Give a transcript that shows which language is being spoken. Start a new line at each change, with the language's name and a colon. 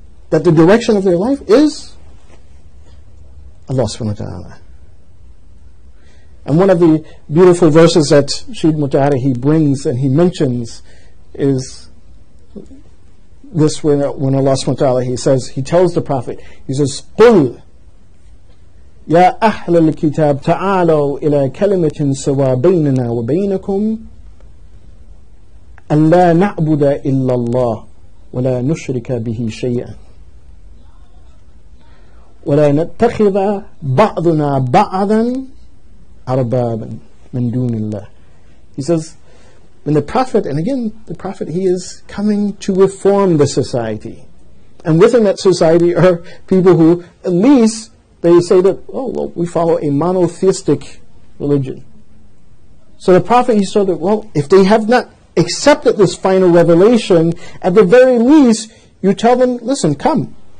English: That the direction of their life is Allah subhanahu wa ta'ala. And one of the beautiful verses that Shahid Mutahari, he brings and he mentions, is this, when Allah subhanahu wa ta'ala, he says, he tells the Prophet, he says, قُلْ
Arabic: يا أهل الكتاب تعالوا إلى كلمة سواء بيننا وبينكم أن لا نعبد إلا الله ولا نشرك به شيئا ولا نتخذ بعضنا بعضا أربابا من دون الله.
English: He says, when the Prophet, and again, the Prophet, he is coming to reform the society. And within that society are people who, at least, they say that, oh, well, we follow a monotheistic religion. So the Prophet, he saw that, well, if they have not accepted this final revelation, at the very least, you tell them, listen, come.